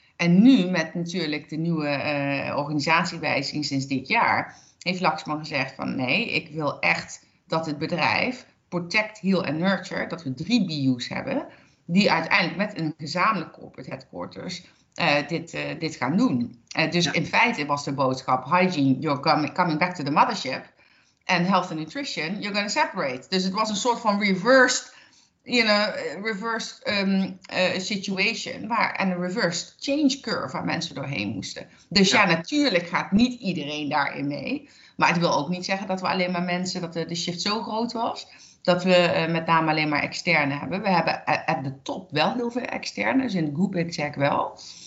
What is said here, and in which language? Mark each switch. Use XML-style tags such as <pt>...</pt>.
<nl>En nu, met natuurlijk de nieuwe organisatiewijziging sinds dit jaar, heeft Laxman gezegd van nee, ik wil echt dat het bedrijf Protect, Heal and Nurture, dat we 3 BU's hebben, die uiteindelijk met een gezamenlijk corporate headquarters dit gaan doen. In feite was de boodschap,</nl> <en>hygiene, you're coming back to the mothership, en health and nutrition, you're going to separate.</en> <nl>Dus het was een soort van reversed change curve waar mensen doorheen moesten. Dus ja, natuurlijk gaat niet iedereen daarin mee. Maar het wil ook niet zeggen dat we alleen maar mensen, dat de shift zo groot was, dat we met name alleen maar externe hebben. We hebben</nl> <en>at the top</en> <nl>wel heel veel externe, dus in de group exec wel.</nl>